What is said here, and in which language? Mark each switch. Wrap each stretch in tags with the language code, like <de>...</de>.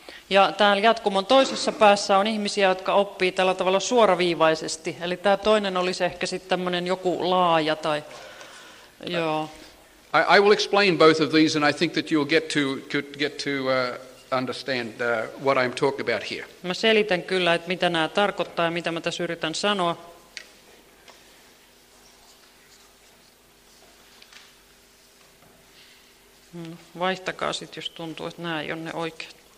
<fi>Ja täällä jatkumon toisessa päässä on ihmisiä, jotka oppii tällä tavalla suoraviivaisesti. Eli tämä toinen olisi ehkä sitten tämmöinen joku laaja tai. Joo.</fi> <en>I will explain both of these, and I think that you'll get to understand what I'm talking about here.</en> <fi>Mä selitän kyllä, että mitä nämä tarkoittaa ja mitä mä tässä yritän sanoa. Vaihtakaa sitten, jos tuntuu, että nämä ei ole ne oikeat.</fi>